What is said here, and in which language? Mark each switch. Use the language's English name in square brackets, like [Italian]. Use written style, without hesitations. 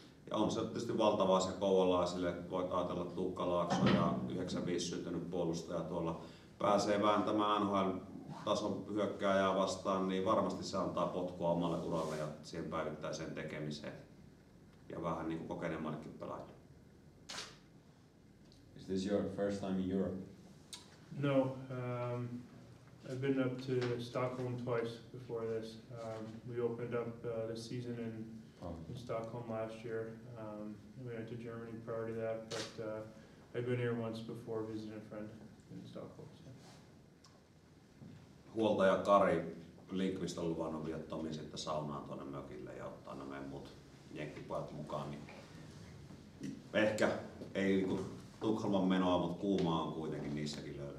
[Finnish] Ja on se tietysti valtavaa se kouvolaisille, voit ajatella Tuukka Laakso ja 95 syntynyt puolustaja tuolla pääsee vääntämään NHL-tason hyökkääjää vastaan, niin varmasti se antaa potkua omalle uralle ja siihen päivittäiseen tekemiseen ja vähän niin kuin kokeneemmallekin pelaajille. [English] Is this your first time in Europe? No, I've been up to Stockholm twice before this. We opened up this season in Stockholm last year. We went to Germany prior to that, but I've been here once before visiting a friend in Stockholm. So. [Finnish] Huoltaja Kari Lindqvist on luvannut vielä Tomi sitten saunaan tuonne mökille ja ottaa nämä muut jenkkipojat mukaan. Niin ehkä ei niin kuin Tukholman menoa, mutta kuumaa on kuitenkin niissäkin.